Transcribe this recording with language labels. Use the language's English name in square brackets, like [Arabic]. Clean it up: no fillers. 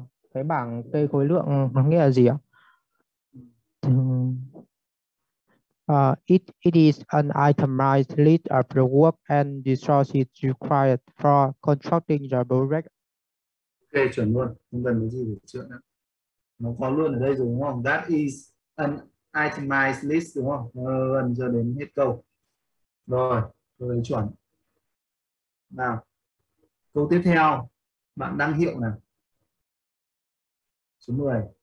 [Vietnamese] Cái bảng kê khối lượng nó nghĩa là gì ạ? [English] It is an itemized list of the work and resources required for constructing the project. [Vietnamese] Ok, chuẩn luôn. Không cần cái gì để chữa nữa. Nó có luôn ở đây rồi, đúng không? [English] That is an itemized list, [Vietnamese] đúng không? Gần giờ đến hết câu. Rồi, câu đấy chuẩn. Nào, câu tiếp theo. Bạn đăng hiệu nào. Số 10.